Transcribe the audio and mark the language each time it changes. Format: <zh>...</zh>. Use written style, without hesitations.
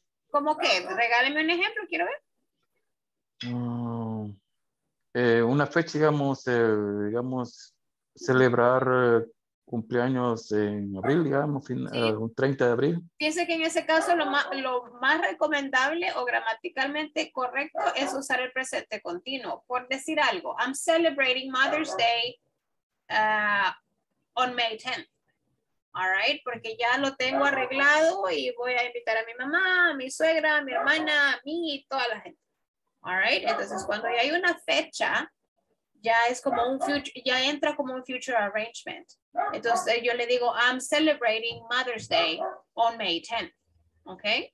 <es>¿Cómo qué? Regáleme un ejemplo, quiero ver. Una fecha, digamos, celebrar cumpleaños en abril, digamos, un 30 de abril. Piense que en ese caso lo más recomendable o gramaticalmente correcto es usar el presente continuo. Por decir algo,</es> <en>I'm celebrating Mother's Day on May 10th.</en> <es>All right, porque ya lo tengo arreglado y voy a invitar a mi mamá, a mi suegra, a mi hermana, a mí y toda la gente. All right, entonces cuando ya hay una fecha, ya es como un future, ya entra como un future arrangement. Entonces yo le digo,</es> <en>I'm celebrating Mother's Day on May 10th. Okay.</en>